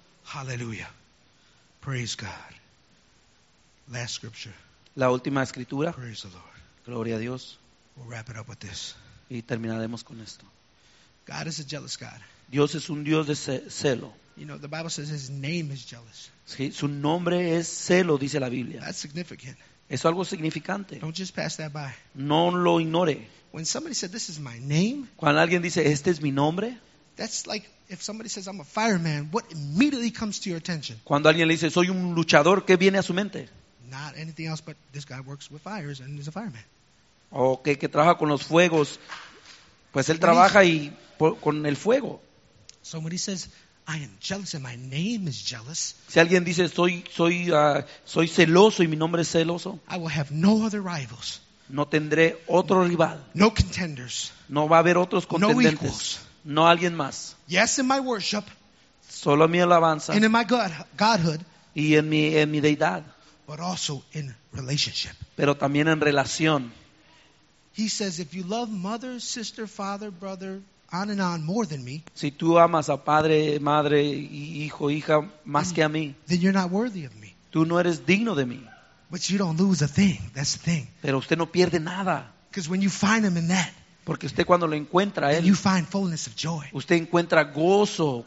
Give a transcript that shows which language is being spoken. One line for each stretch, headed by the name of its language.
English: Hallelujah. Praise God. Last scripture.
Spanish: La última escritura.
English: Praise the Lord.
Spanish: Gloria a Dios.
English: We'll wrap it up with this.
Spanish: Y terminaremos con esto.
English: God is a jealous God.
Spanish: Dios es un Dios de celo.
English: You know, the Bible says his name is jealous.
Spanish: Sí, su nombre es celo, dice la Biblia.
English: That's significant.
Spanish: Es algo significante.
English: Don't just pass that by.
Spanish: No lo ignore.
English: When somebody said, "This is my name,"
Spanish: cuando alguien dice, "Este es mi nombre,"
English: that's like if somebody says, "I'm a fireman," what immediately comes to your attention?
Spanish: Cuando alguien le dice, "Soy un luchador," ¿qué viene a su mente?
English: Not anything else, but this guy works with fires and is a fireman.
Spanish: Okay, que trabaja con los fuegos. Pues él trabaja y con el fuego.
English: Somebody says, I am jealous and my name is jealous.
Spanish: Si alguien dice soy celoso y mi nombre es celoso.
English: I will have no other rivals.
Spanish: No tendré otro rival.
English: No contenders.
Spanish: No va a haber otros contendientes.
English: No equals.
Spanish: No alguien más.
English: Yes, in my worship.
Spanish: Solo mi alabanza.
English: And in my godhood.
Spanish: Y en mi deidad.
English: But also in relationship.
Spanish: Pero también en relación.
English: He says, if you love mother, sister, father, brother, on and on more than me.
Spanish: Si tú amas a padre, madre, hijo, hija más que a mí.
English: Then you're not worthy of me.
Spanish: Tú no eres digno de mí.
English: But you don't lose a thing. That's the thing.
Spanish: Pero usted no pierde nada.
English: Because when you find him in that.
Spanish: Porque usted cuando lo encuentra él.
English: You find fullness of joy.
Spanish: Usted encuentra gozo.